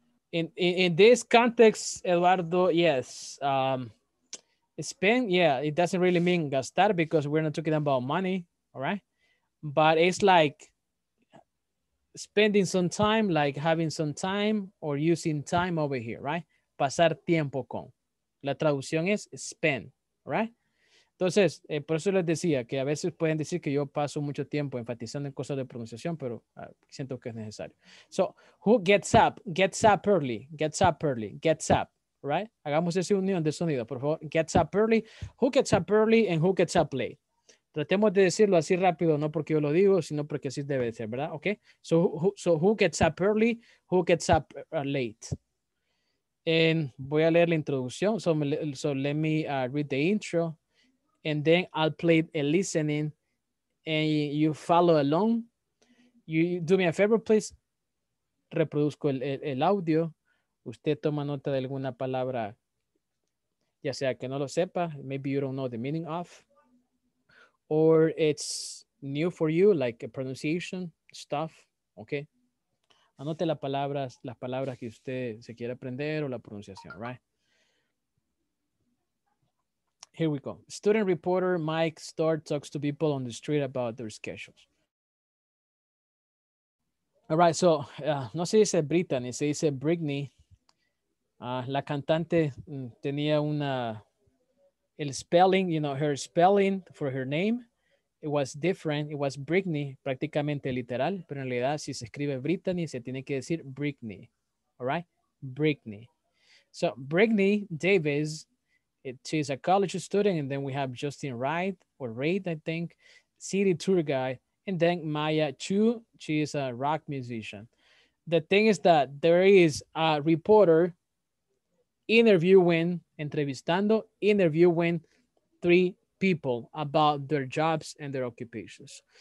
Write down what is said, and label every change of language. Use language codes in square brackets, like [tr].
[en] In this context, Eduardo, yes, spend, yeah, it doesn't really mean gastar because we're not talking about money, all right? But it's like spending some time, like having some time or using time over here, right? [es] Pasar tiempo con. La traducción es spend, right? Entonces, por eso les decía que a veces pueden decir que yo paso mucho tiempo enfatizando en cosas de pronunciación, pero siento que es necesario. [en] So, who gets up? Gets up early. Gets up, right? [es] Hagamos esa unión de sonido, por favor. [en] Gets up early. Who gets up early and who gets up late? [es] Tratemos de decirlo así rápido, no porque yo lo digo, sino porque así debe de ser, ¿verdad? [en] Okay. So, who gets up early? Who gets up late? And [es] voy a leer la introducción. [en] So let me read the intro. And then I'll play a listening and you follow along. You do me a favor, please. [es] Reproduzco el audio. Usted toma nota de alguna palabra, ya sea que no lo sepa. [en] Maybe you don't know the meaning of. Or it's new for you, like a pronunciation stuff. Okay. [es] Anote las palabras que usted se quiere aprender o la pronunciación, right? [en] Here we go. Student reporter Mike Starr talks to people on the street about their schedules. [es] All right, so no se dice Brittany, se dice Britney. La cantante tenía una, el spelling, [en] you know, her spelling for her name, it was different. It was [es] Britney, prácticamente literal, pero en realidad si se escribe Brittany, se tiene que decir Britney. [en] All right, Britney. So Britney Davis, she's a college student, and then we have Justin Reid, I think, city tour guide, and then Maya Chu, she is a rock musician. the thing is that there is a reporter interviewing, [es] entrevistando, [en] interviewing three people about their jobs and their occupations.